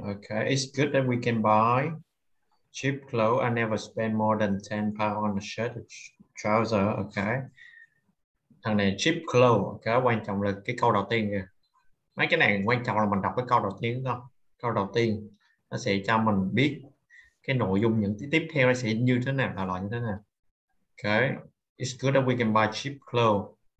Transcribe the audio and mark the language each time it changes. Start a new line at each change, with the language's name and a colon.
English: Ok, it's good that we can buy cheap clothes. I never spend more than £10 on a shirt or trouser. Ok.
Vietnamese: Thằng này
English: cheap clothes.
Vietnamese: Ok, quan trọng là cái câu đầu tiên kìa. Mấy cái này quan trọng là mình đọc cái câu đầu tiên không? Câu đầu tiên nó sẽ cho mình biết cái nội dung những tiếp theo nó sẽ như thế nào, là loại như thế nào.
English: Ok, it's good that we can buy cheap clothes.